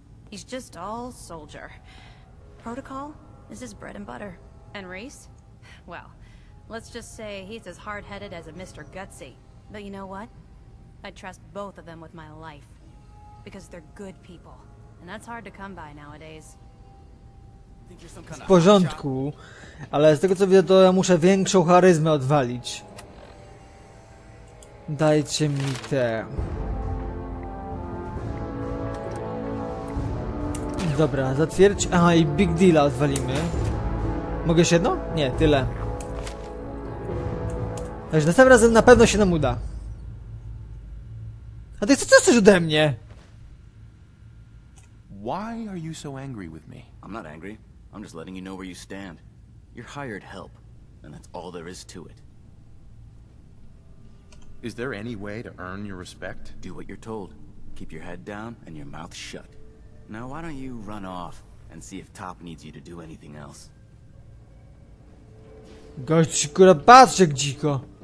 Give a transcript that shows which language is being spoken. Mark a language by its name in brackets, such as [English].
[English] He's just all soldier. Protocol is his bread and butter. And Reese? Well, let's just say he's as hard-headed as a Mr. Gutsy. But you know what? I'd trust both of them with my life. Because they're good people. And that's hard to come by nowadays. [Polish] W porządku, ale z tego co widzę, to ja muszę większą charyzmę odwalić. Dajcie mi te. Dobra, zatwierdź. Aha, i Big Deala odwalimy. Mogę jeszcze jedno? Nie, tyle. Także następnym razem na pewno się nam uda. A ty co chcesz ode mnie? [English] Why are you so angry with me? I'm not angry. I'm just letting you know where you stand. You're hired help, and that's all there is to it. Is there any way to earn your respect? Do what you're told. Keep your head down and your mouth shut. Now why don't you run off and see if Top needs you to do anything else? [Polish] Gość się kurwa patrz jak dziko.